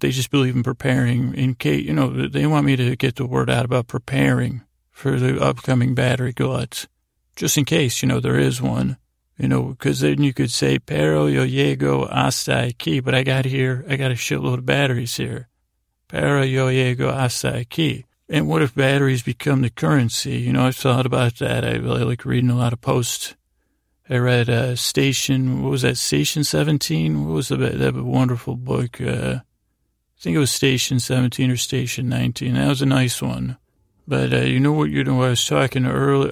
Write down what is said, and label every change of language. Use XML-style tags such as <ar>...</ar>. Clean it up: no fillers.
<en>They just believe in preparing in case, you know, they want me to get the word out about preparing for the upcoming battery glut, just in case, you know, there is one, you know, because then you could say,</en> <es>pero yo llego hasta aquí,</es> <en>but I got a shitload of batteries here.</en> <es>Pero yo llego hasta aquí.</es> <en>And what if batteries become the currency? You know, I've thought about that. I really like reading a lot of posts. I read Station 17? What was that wonderful book? I think it was Station 17 or Station 19. That was a nice one. But I was talking earlier.</en>